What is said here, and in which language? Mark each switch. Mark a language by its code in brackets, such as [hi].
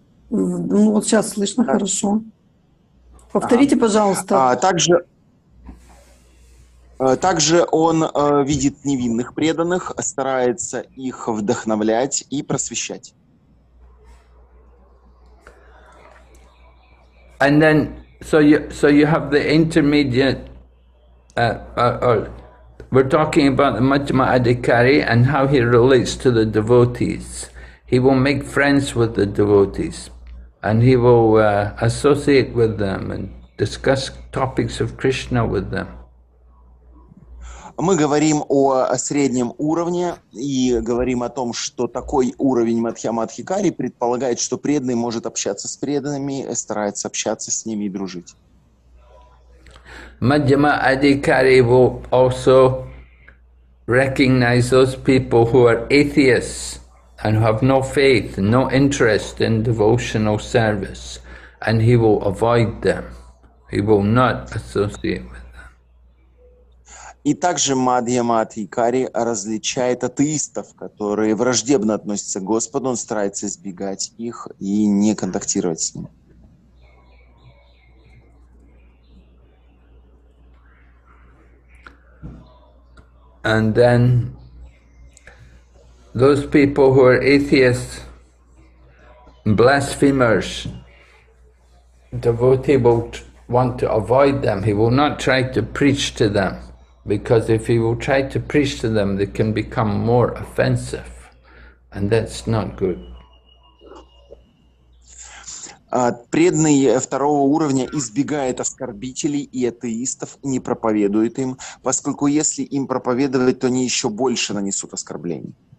[ru] Ну, вот сейчас слышно хорошо. Повторите, пожалуйста. Также он видит невинных преданных, старается их вдохновлять и просвещать. [en] And then, so you have the intermediate, we're talking about the мадхьямадхикари and how he relates to the devotees. He will make friends with the devotees, and he will associate with them and discuss topics of Krishna with them. [ru] Мы говорим о среднем уровне и говорим о том, что такой уровень мадхьямадхикари предполагает, что преданный может общаться с преданными, старается общаться с ними и дружить. [en] Мадхьямадхикари will also recognize those people who are atheists and who have no faith, no interest in devotional service, and he will avoid them. He will not associate with them. [ru] И также мадхьямадхикари различает атеистов, которые враждебно относятся к Господу, он старается избегать их и не контактировать с ними. [en] And then those people who are atheists, blasphemers, devotee will want to avoid them. He will not try to preach to them, because if he will try to preach to them, they can become more offensive, and that's not good. [ru] Преданный второго уровня избегает оскорбителей и атеистов, не проповедует им, поскольку если им проповедовать, то они еще больше нанесут оскорблений.